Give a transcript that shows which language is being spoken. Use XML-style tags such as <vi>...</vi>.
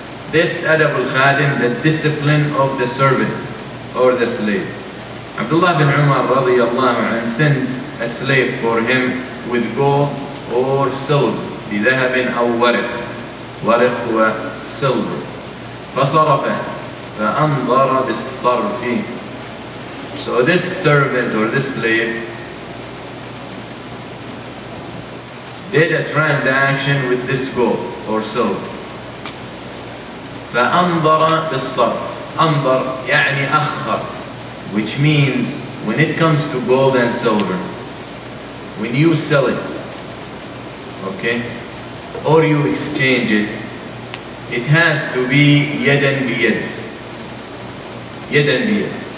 <en>This Adab al-Khadim, the discipline of the servant or the slave. Abdullah ibn Umar radiallahu anhu sent a slave for him with gold or silver,</en> <ar>bidhahabin aw warq. ورق هو سلفر فصرفه فأنظر بالصرف.</ar> <en>So this servant or this slave did a transaction with this gold or silver.</en> <ar>فأنظر بالصرف. أنظر يعني أخر,</ar> <en>which means when it comes to gold and silver, when you sell it, okay, or you exchange it, it has to be yadan biyad. Yadan biyad.</en>